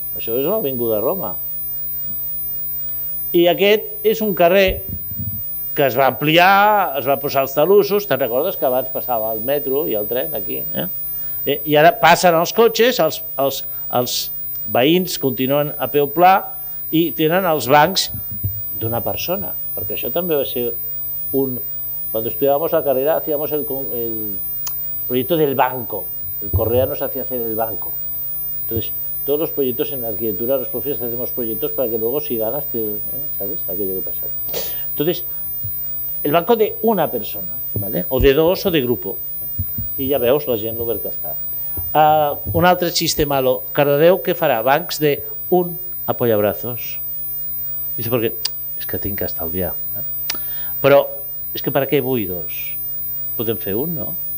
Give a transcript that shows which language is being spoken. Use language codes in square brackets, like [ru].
[ca] Això és l'Avinguda de Roma. I aquest és un carrer que es va ampliar, es va posar els talussos, te'n recordes que abans passava el metro i el tren aquí? I ara passen els cotxes, els veïns continuen a peu pla i tenen els bancs d'una persona, perquè això també va ser un... Quan estudiàvem la carrera, fèiem el projecte del banco. [es] El correa nos hacía hacer el banco. Entonces, todos los proyectos en la arquitectura, los profesores hacemos proyectos para que luego si ganas, ¿sabes? Aquello que pasa. Entonces, el banco de una persona, ¿vale? O de dos o de grupo. [ca] Y ya veus la gent l'obert que està. Un altre xiste malo. Cardedeu, què farà? Bancs de un apoyabrazos. Dice, perquè és que tinc que estalviar. Però és que per què vull dos? Podem fer un, no?